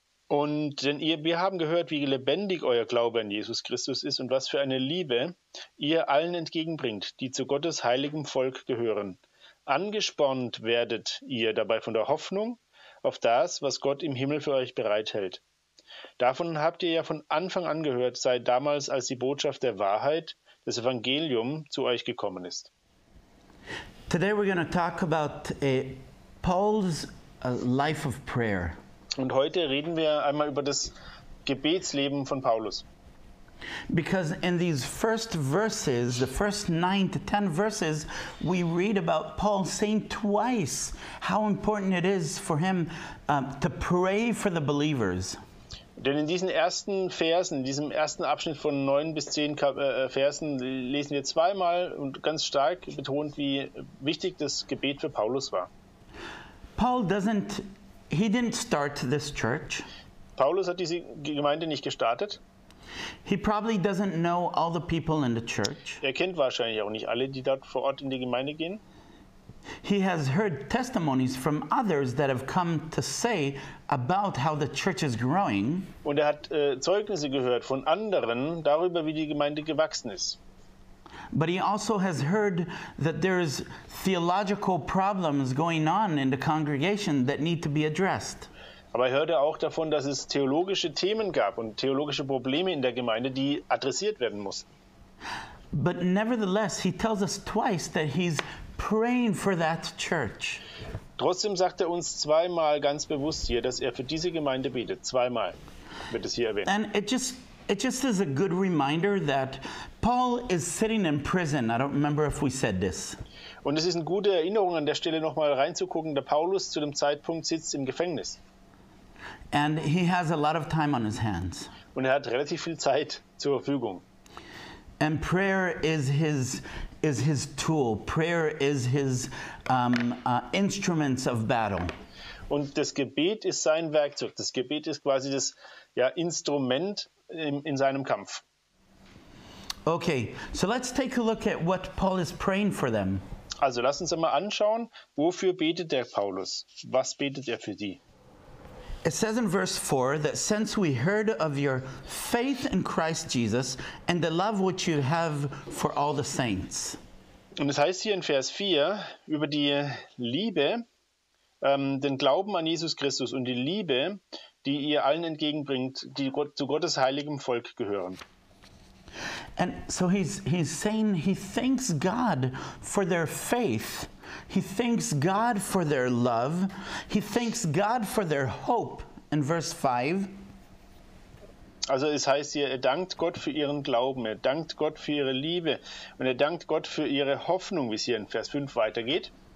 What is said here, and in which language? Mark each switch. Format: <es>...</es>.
<de>Und denn wir haben gehört, wie lebendig euer Glaube an Jesus Christus ist und was für eine Liebe ihr allen entgegenbringt, die zu Gottes heiligem Volk gehören. Angespornt werdet ihr dabei von der Hoffnung auf das, was Gott im Himmel für euch bereithält. Davon habt ihr ja von Anfang an gehört, seit damals, als die Botschaft der Wahrheit, das Evangelium, zu euch gekommen ist.</de> <en>Today we're going to talk about Paul's life of prayer.</en> <de>Und heute reden wir einmal über das Gebetsleben von Paulus.</de> <en>Because in these first verses, the first 9 to 10 verses, we read about Paul saying twice how important it is for him to pray for the believers.</en> <de>Denn in diesen ersten Versen, in diesem ersten Abschnitt von 9 bis 10 Versen, lesen wir zweimal und ganz stark betont, wie wichtig das Gebet für Paulus war.</de> <en>He didn't start this church.</en> <de>Paulus hat diese Gemeinde nicht gestartet.</de> <en>He probably doesn't know all the people in the church.</en> <de>Er kennt wahrscheinlich auch nicht alle, die dort vor Ort in die Gemeinde gehen.</de> <en>He has heard testimonies from others that have come to say about how the church is growing.</en> <de>Und er hat Zeugnisse gehört von anderen darüber, wie die Gemeinde gewachsen ist.</de> <en>But he also has heard that there is theological problems going on in the congregation that need to be addressed.</en> <de>Aber er hörte auch davon, dass es theologische Themen gab und theologische Probleme in der Gemeinde, die adressiert werden mussten.</de> <en>But nevertheless, he tells us twice that he's praying for that church.</en> <de>Trotzdem sagt er uns zweimal ganz bewusst hier, dass er für diese Gemeinde betet. Zweimal wird es hier erwähnt.</de> <en>And it just is a good reminder that Paul is sitting in prison. I don't remember if we said this.</en> <de>Und es ist eine gute Erinnerung an der Stelle nochmal reinzugucken, der Paulus zu dem Zeitpunkt sitzt im Gefängnis.</de> <en>And he has a lot of time on his hands.</en> <de>Und er hat relativ viel Zeit zur Verfügung.</de> <en>And prayer is his tool. Prayer is his instruments of battle.</en> <de>Und das Gebet ist sein Werkzeug. Das Gebet ist quasi das Instrument in seinem Kampf.</de> <en>Okay, so let's take a look at what Paul is praying for them.</en> <de>Also lass uns einmal anschauen, wofür betet der Paulus? Was betet er für die?</de> <en>It says in verse 4 that since we heard of your faith in Christ Jesus and the love which you have for all the saints.</en> <de>Und es heißt hier in Vers 4 über die Liebe, den Glauben an Jesus Christus und die Liebe, die ihr allen entgegenbringt, die zu Gottes heiligem Volk gehören.</de> <en>And so he's saying he thanks God for their faith. He thanks God for their love. He thanks God for their hope in verse 5.</en> <de>Also es heißt hier, er dankt Gott für ihren Glauben, er dankt Gott für ihre Liebe und er dankt Gott für ihre Hoffnung, wie es hier in Vers 5 weitergeht.</de>